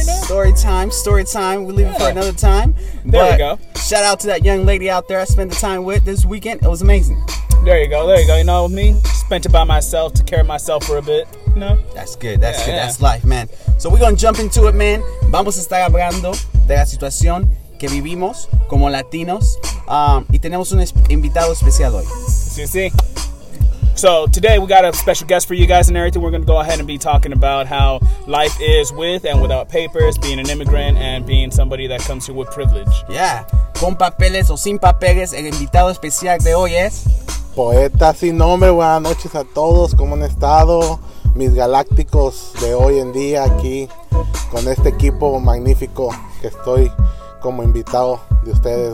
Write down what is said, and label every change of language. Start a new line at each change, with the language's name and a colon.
English: You know? Story time. We'll leave it for another time. There we go. Shout out to that young lady out there I spent the time with this weekend. It was amazing. There you go. You know what I mean? Spent it by myself, took care of myself for a bit. No. That's good. Yeah. That's life, man. So we're going to jump into it, man.
Spanish: Vamos a estar hablando de la situación que vivimos como latinos. Y tenemos un invitado especial hoy. Sí.
English: So today we got a special guest for you guys and everything. We're going to go ahead and be talking about how life is with and without papers, being an immigrant, and being somebody that comes here with privilege. Yeah.
Spanish: Con papeles o sin papeles, el invitado especial de hoy es... Poeta sin nombre. Buenas noches a todos. ¿Cómo han estado? Mis galácticos de hoy en día aquí con este equipo magnífico que estoy como invitado de ustedes.